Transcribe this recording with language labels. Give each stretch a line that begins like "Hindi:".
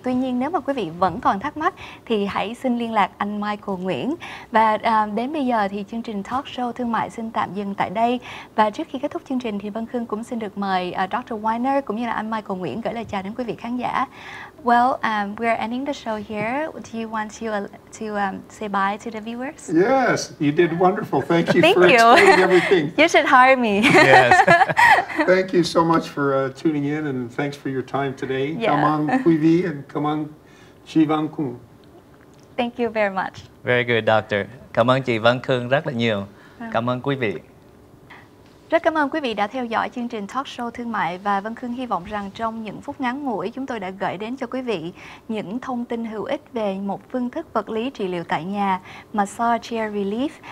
Vietnamese: Tuy nhiên, nếu mà quý vị vẫn còn thắc mắc thì hãy xin liên lạc anh Michael Nguyễn. Và đến bây giờ thì chương trình Talk Show Thương mại xin tạm dừng tại đây. Và trước khi kết thúc chương trình thì Vân Khương cũng xin được mời Dr. Weiner cũng như là anh Michael Nguyễn gửi lời chào đến quý vị khán giả.
English: Well, we're ending the show here. Do you want to say bye to the viewers? Yes, you did wonderful. Thank you Thank for you. Explaining everything. You should hire me. Yes. Thank you so much for tuning in, and thanks for your time today. Yeah.
Vietnamese: Kamang Quý Vị and Kamang Chi Văn Khương.
English: Thank you very much. Very good, Doctor.
Vietnamese: Cảm ơn chị Văn Khương rất là nhiều. Cảm ơn quý vị. Rất cảm ơn quý vị đã theo dõi chương trình Talk Show Thương mại, và Vân Khương hy vọng rằng trong những phút ngắn ngủi chúng tôi đã gửi đến cho quý vị những thông tin hữu ích về một phương thức vật lý trị liệu tại nhà, Massage Chair Relief.